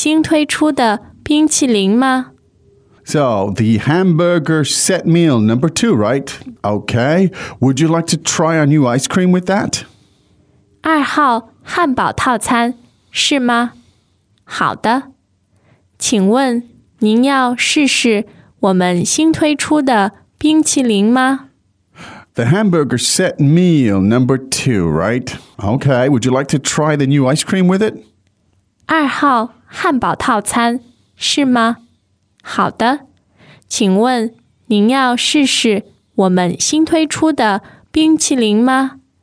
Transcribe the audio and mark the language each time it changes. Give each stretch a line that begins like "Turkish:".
Chinese: 二号套餐，不要可乐，给我冰红茶。二号汉堡套餐，是吗？好的，请问您要试试我们新推出的冰淇淋吗？
English: So, the hamburger set meal number two, right? Okay, would you like to try our new ice cream with that?
Chinese: 二号汉堡套餐，是吗？ 好的，请问。您要试试我们新推出的冰淇淋吗？
English: The hamburger set meal number two, right? Okay, would you like to try the new ice cream with it?
Chinese: 二号汉堡套餐是吗？好的，请问您要试试我们新推出的冰淇淋吗？